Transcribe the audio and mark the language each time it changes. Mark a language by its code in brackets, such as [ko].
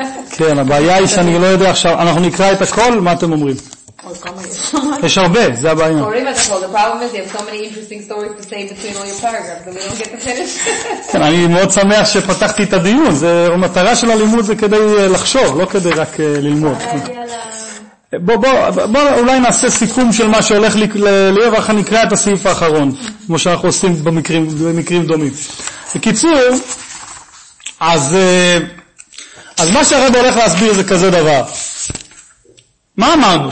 [he] כן, הבעיה היא שאני לא יודע עכשיו. אנחנו נקרא את הכל, מה אתם אומרים? יש הרבה, זה הבעיה. [en] The problem is you have so many interesting stories to say between all your paragraphs and we don't get to finish. [he] אני מאוד שמח שפתחתי את הדיון. המטרה של הלימוד זה כדי לחשוב, לא כדי רק ללמוד. בוא אולי נעשה סיכום של מה שהולך ליהיה, איך אני אקרא את הסעיף האחרון, כמו שאנחנו עושים במקרים דומים. בקיצור, אז מה שהרב הולך להסביר זה כזה דבר. מה אמרנו?